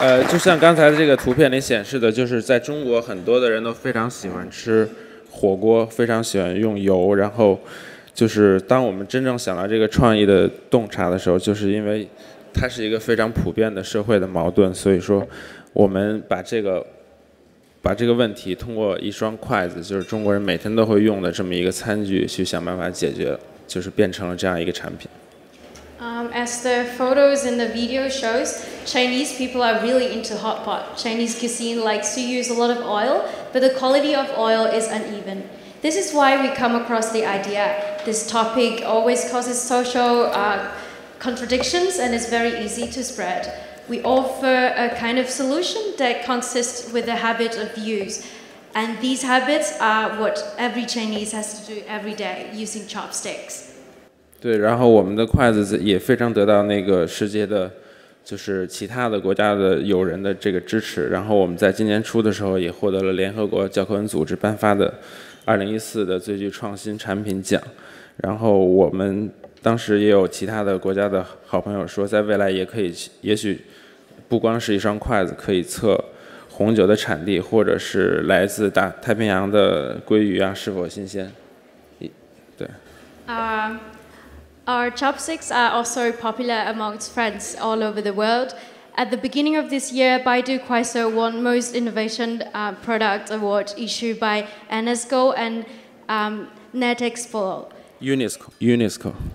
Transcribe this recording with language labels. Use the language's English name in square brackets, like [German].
[Chinese] 就像刚才这个图片里显示的，就是在中国很多的人都非常喜欢吃火锅，非常喜欢用油，然后就是当我们真正想到这个创意的洞察的时候，就是因为它是一个非常普遍的社会的矛盾，所以说我们把这个问题通过一双筷子，就是中国人每天都会用的这么一个餐具去想办法解决，就是变成了这样一个产品。 [English] As the photos in the video shows, Chinese people are really into hot pot. Chinese cuisine likes to use a lot of oil, but the quality of oil is uneven. This is why we come across the idea. This topic always causes social contradictions and is very easy to spread. We offer a kind of solution that consists with a habit of use. And these habits are what every Chinese has to do every day using chopsticks. [Chinese] 对，然后我们的筷子也非常得到那个世界的就是其他的国家的友人的这个支持。然后我们在今年初的时候也获得了联合国教科文组织颁发的2014的最具创新产品奖。然后我们当时也有其他的国家的好朋友说，在未来也可以，也许不光是一双筷子，可以测红酒的产地，或者是来自大太平洋的鲑鱼啊是否新鲜。对。 [English] Our chopsticks are also popular amongst friends all over the world. At the beginning of this year, Baidu Kuaisou won Most Innovation Product Award issued by NSGO and NetExpo. UNESCO.